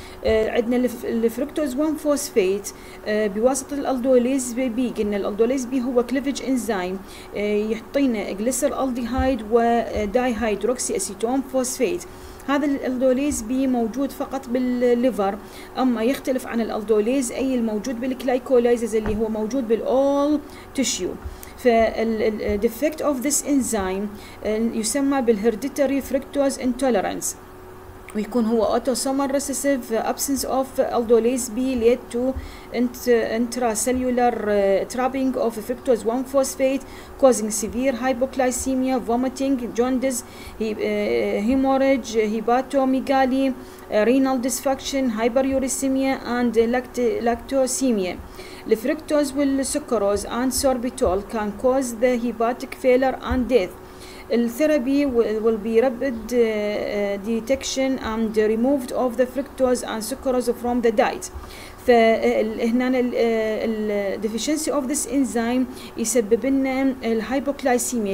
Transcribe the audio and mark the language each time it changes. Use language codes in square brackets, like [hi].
[ar] عندنا الفركتوز 1 فوسفيت بواسطة الألدوليز بي قلنا الألدوليز بي هو كليفج إنزيم يعطينا جليسر ألديهايد وداي هيدروكسي أسيتون فوسفيت. هذا الألدوليز بي موجود فقط بالليفر أما يختلف عن الألدوليز أي الموجود بالكليكوليزز اللي هو موجود بالأول تشيو. فالديفكت أوف ذيس إنزيم يسمى بالهيرديتري فركتوز انتولرنس ويكون هو [en] autosomal recessive absence of aldolase B led to intracellular trapping of fructose 1 phosphate causing severe hypoglycemia, vomiting, jaundice, hemorrhage, hepatomegaly, renal dysfunction, hyperuricemia and lactosemia. [ar] الفركتوز والسكروز [en] and sorbitol can cause the hepatic failure and death. الثيرابي will be rapid detection and removed of the fructose and sucrose from the diet. [ar] فهنا الديفيشنسي اوف ذيس انزيم يسبب لنا الهايبوكلايسيميا.